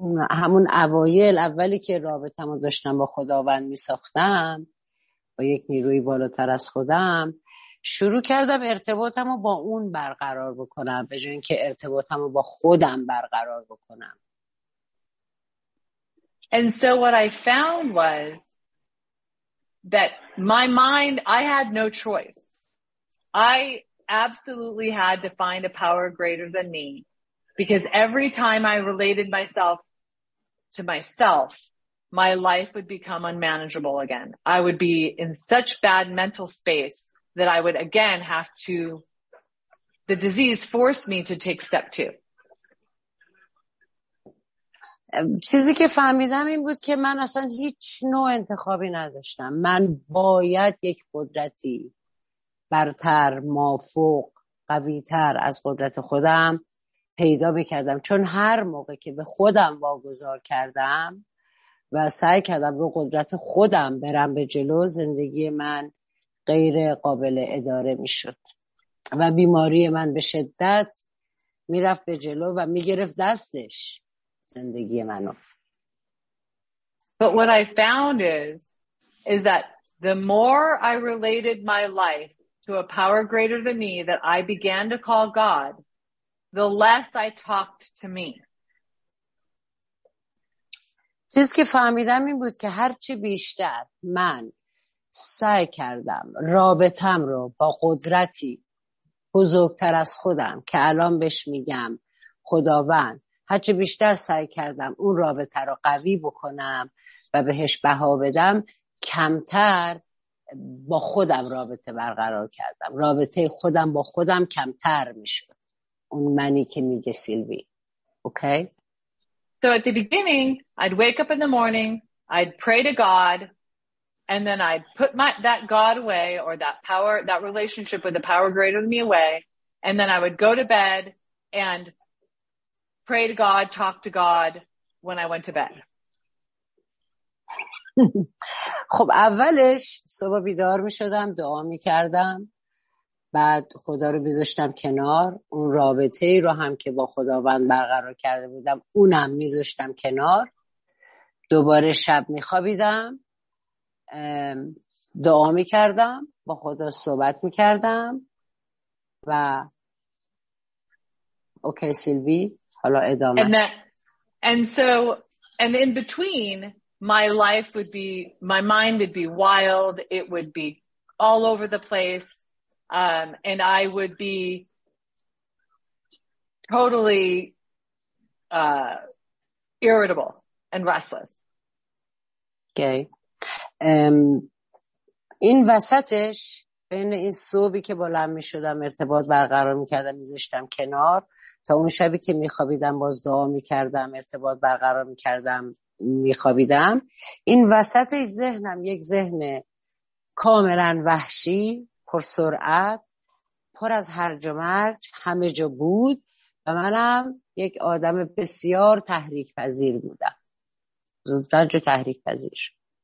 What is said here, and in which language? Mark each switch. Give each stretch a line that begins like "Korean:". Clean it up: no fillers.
Persian: همون اوایل، اولی که رابطم رو داشتم با خداوند می ساختم، با یک نیروی بالاتر از خودم، شروع کردم ارتباطم رو با اون برقرار بکنم به جای اینکه ارتباطم رو با خودم برقرار بکنم.
English: And so what I found was that my mind, I had no choice. I absolutely had to find a power greater than me. Because every time I related myself to myself, my life would become unmanageable again. I would be in such bad mental space that I would again have to, the disease forced me to take step two.
Persian: چیزی که فهمیدم این بود که من اصلا هیچ نوع انتخابی نداشتم. من باید یک قدرتی برتر، مافوق، قویتر از قدرت خودم پیدا میکردم، چون هر موقع که به خودم واگذار کردم و سعی کردم رو قدرت خودم برم به جلو، زندگی من غیر قابل اداره میشد و بیماری من به شدت میرفت به جلو و میگرفت دستش زندگی منو.
English: But what I found is that the more I related my life to a power greater than me that I began to call God, the less I talked to me.
Persian: چیزی که فهمیدم این بود که هرچی بیشتر من سعی کردم رابطم رو با قدرتی بزرگتر از خودم که الان بهش میگم خداوند، هرچی بیشتر سعی کردم اون رابطه رو قوی بکنم و بهش بها بدم، کمتر با خودم رابطه برقرار کردم، رابطه خودم با خودم کمتر میشد، اون منی که میگه سیلوی. اوکی؟
English: So at the beginning, I'd wake up in the morning, I'd pray to God, and then I'd put that God away, or that power, that relationship with the power greater than me away, and then I would go to bed and pray to God, talk to God when I went to bed.
Persian: خب اولش صبح بیدار می شدم، دعا می کردم، بعد خدا رو میذاشتم کنار، اون رابطه ای رو هم که با خداوند برقرار کرده بودم اونم میذاشتم کنار، دوباره شب میخوابیدم، دعا میکردم، با خدا صحبت میکردم و اوکی سیلوی حالا ادامه.
English: And in between my life would be, my mind would be wild, it would be all over the place. And I would be totally irritable and restless. Okay.
Persian: این وسطش بین این صبحی که بلند می شدم ارتباط برقرار می کردم می زشتم کنار، تا اون شبی که می خوابیدم باز دعا می کردم ارتباط برقرار می کردم می خوابیدم، این وسط ذهنم یک ذهن کاملا وحشی پر سرعت پر از هرج و مرج همه جا بود و منم یک آدم بسیار تحریک پذیر بودم، زودرنج و تحریک پذیر.